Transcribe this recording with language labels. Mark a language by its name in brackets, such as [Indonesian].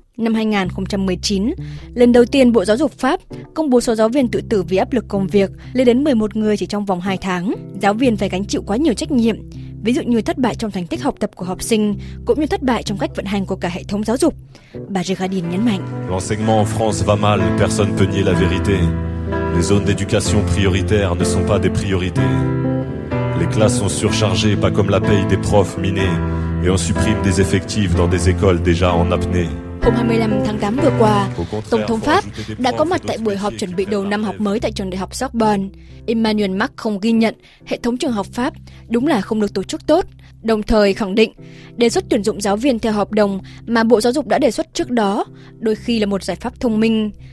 [Vietnamese] Năm 2019, lần đầu tiên Bộ Giáo dục Pháp công bố số giáo viên tự tử vì áp lực công việc lên đến 11 người chỉ trong vòng 2 tháng. Giáo viên phải gánh chịu quá nhiều trách nhiệm, ví dụ như thất bại trong thành tích học tập của học sinh, cũng như thất bại trong cách vận hành của cả hệ thống giáo dục. Bà Regardine nhấn mạnh. [French] L'enseignement en France va mal, personne peut nier la vérité. Les zones d'éducation prioritaires ne sont pas des priorités. Les classes sont surchargées, pas comme la paye des profs minés. Et on supprime des effectifs dans des écoles déjà en apnée. [Vietnamese] Hôm 25 tháng 8 vừa qua, Tổng thống Pháp đã có mặt tại buổi họp chuẩn bị đầu năm học mới tại trường đại học Sorbonne. Emmanuel Macron ghi nhận hệ thống trường học Pháp đúng là không được tổ chức tốt, đồng thời khẳng định đề xuất tuyển dụng giáo viên theo hợp đồng mà Bộ Giáo dục đã đề xuất trước đó đôi khi là một giải pháp thông minh.